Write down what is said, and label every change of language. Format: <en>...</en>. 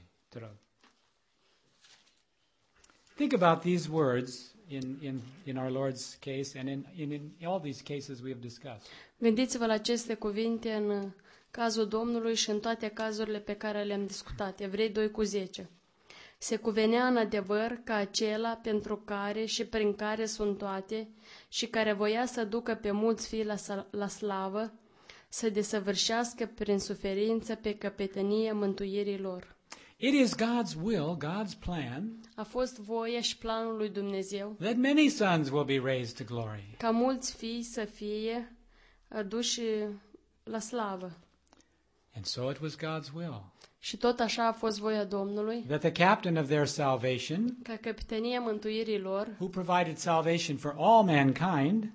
<ro>Te rog.</ro> <en>Think about these words in our Lord's case and in all these cases we have discussed.</en> <ro>Gândiți-vă la aceste cuvinte în cazul Domnului și în toate cazurile pe care le-am discutat. Evrei 2:10. Se cuvenea în adevăr ca acela pentru care și prin care sunt toate și care voia să ducă pe mulți fii la slavă, să desăvârșească prin suferință pe căpetenie mântuirii lor.</ro> <en>It is God's will, God's plan.</en> <ro>A fost voia și planul lui Dumnezeu.</ro> <en>That many sons will be raised to glory.</en> <ro>Ca mulți fii să fie aduși la slavă.</ro> <en>And so it was God's will.</en> <ro>Și tot așa a fost voia Domnului.</ro> <en>That the captain of their salvation,</en> <ro>ca căpetenia mântuirii lor,</ro> <en>who provided salvation for all mankind,</en>